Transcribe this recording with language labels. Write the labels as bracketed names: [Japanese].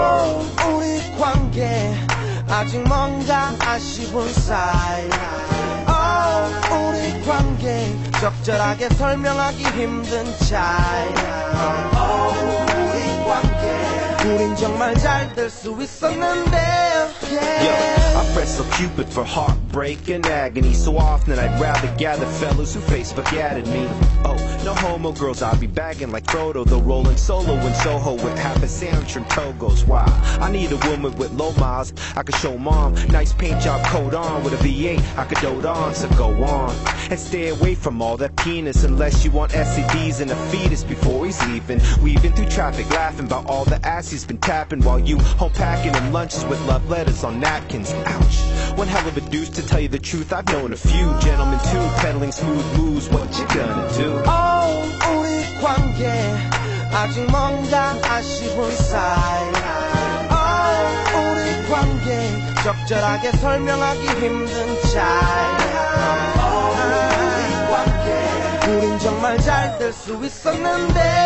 [Korean] Oh, 우리 관계 아직 뭔가 아쉬운 사이야. Oh, 우리 관계 적절하게 설명하기 힘든 차이야. Oh, 우린 정말 잘 될 수 있었는데. [English] Yeah. Yo, I press so Cupid for heartbreak and agony. So often I'd rather gather fellas who Facebook added me. Oh, no homo girls, I'll be bagging like Frodo. Though rolling solo in Soho with half a sandwich and Togo's. Why? I need a woman with low miles I could show mom. Nice paint job coat on with a V8 I could dote on. So go on and stay away from all that penis, unless you want STDs and a fetus before he's leaving. Weaving through traffic laughing about all the ass he's been tapping, while you home packing and lunches with love letters on napkins. Ouch, one hell of a deuce. To tell you the truth, I've known a few gentlemen too, peddling smooth moves. What you gonna do? [Korean] Oh, 우리 관계 아직 뭔가 아쉬운 사이야. Oh, 우리 관계 적절하게 설명하기 힘든 차이야. Oh, 우리 관계 우린 정말 잘 될 수 있었는데.